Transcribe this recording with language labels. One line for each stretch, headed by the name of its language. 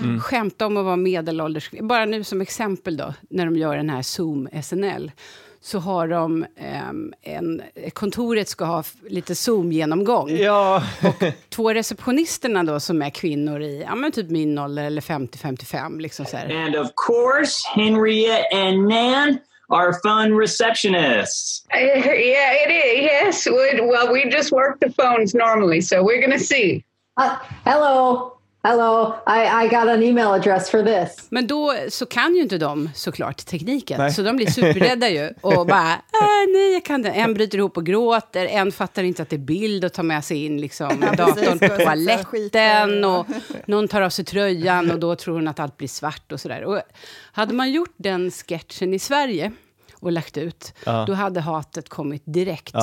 Swedish: Skämta om att vara medelålders. Bara nu som exempel då, när de gör den här Zoom SNL, så har de kontoret ska ha lite Zoom-genomgång. Ja. Och två receptionisterna då som är kvinnor i, ja men typ min ålder eller 50-55 liksom så här.
English: And of course, Henriette and Nan are phone receptionists. Yeah, it is. Yes, well, we just work the phones normally, so we're gonna see. Hello. Hello, I got an email address for this.
Swedish: Men då så kan ju inte de såklart tekniken. Nej. Så de blir superrädda ju. Och bara, nej jag kan det. En bryter ihop och gråter. En fattar inte att det är bild och tar med sig in liksom, datorn på toaletten. Och någon tar av sig tröjan och då tror hon att allt blir svart och sådär. Och hade man gjort den sketchen i Sverige och lagt ut, då hade hatet kommit direkt.